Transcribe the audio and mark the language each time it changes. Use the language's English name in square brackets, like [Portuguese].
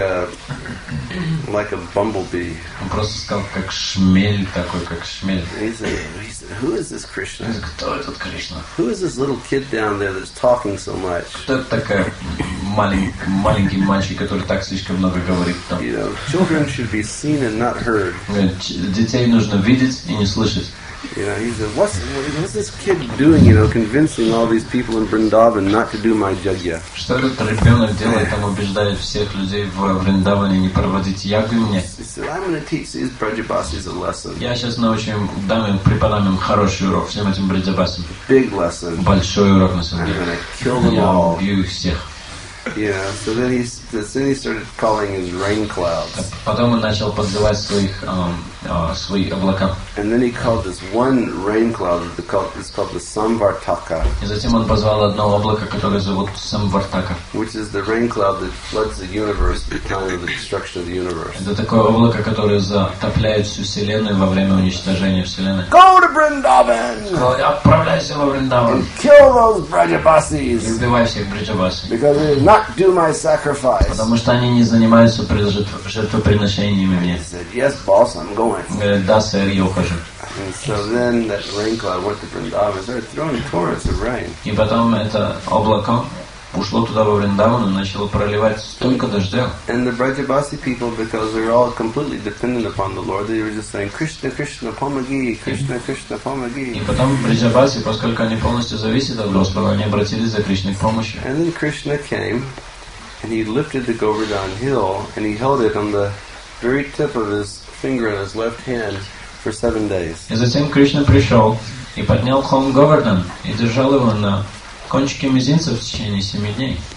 [English] He became just like a bumblebee. [Russian] Он просто стал как шмель такой, как шмель. [English] He said, "Who is this Krishna? [Russian] Кто этот Кришна? [English] Who is this little kid down there that's talking so much?" [Russian] Кто это такой маленький мальчик, который так слишком много говорит там? [English] You know, children should be seen and not heard. [Russian] Детей нужно видеть и не слышать. [English] You know, he said, "What's this kid doing? You know, convincing all these people in Vrindavan not to do my yagya." [Russian] Что этот ребенок делает? Там убеждает всех людей в Вриндаване не проводить ягью мне. [English] He said, "I'm going to teach these prajabasis a lesson." [Russian] Я сейчас научу им, дам им, преподам им хороший урок всем этим прадзабасам. [English] Big lesson. [Russian] Большой урок на самом деле. [English] I'm going to kill them all. [Russian] Я убью их всех. [English] Yeah. So then he started calling his rain clouds. [Russian] Потом он начал подзывать своих свои облака. [English] And then he called this one rain cloud that is called the Samvartaka. [Russian] И затем он позвал одно облако, которое зовут Самвартака. [English] Which is the rain cloud that floods the universe at the time of the destruction of the universe. [Russian] Это такое облако, которое затапливает всю вселенную во время уничтожения вселенной. [English] Go to Vrindavan. [Russian] Отправляйся во Вриндаван. [English] And kill those Brajabasis. [Russian] И убивай всех Брajabasis. [English] Because they did not do my sacrifice. [Russian] Потому что они не занимаются жертвоприношениями мне. [English] He said, "Yes, boss, I'm going." [Russian] Говорит, да, сэр, я ухожу. [English] And so then that rain cloud went to Vrindavan, started throwing torrents of rain. [Russian] И потом это облако ушло туда во Вриндаван и начало проливать столько дождя. [English] And the Brajabasi people, because they're all completely dependent upon the Lord, they were just saying, "Krishna, Krishna, [Russian] помоги, [English] Krishna, Krishna, помоги." [Russian] И потом Брajabasi, поскольку они полностью зависят от Господа, они обратились за Кришной помощью. [English] And then Krishna came, and he lifted the Govardhan hill, and he held it on the very tip of his finger in his left hand for 7 days. [Russian] И затем Кришна пришел и поднял холм Говардан и держал его на кончике мизинца в течение 7 дней.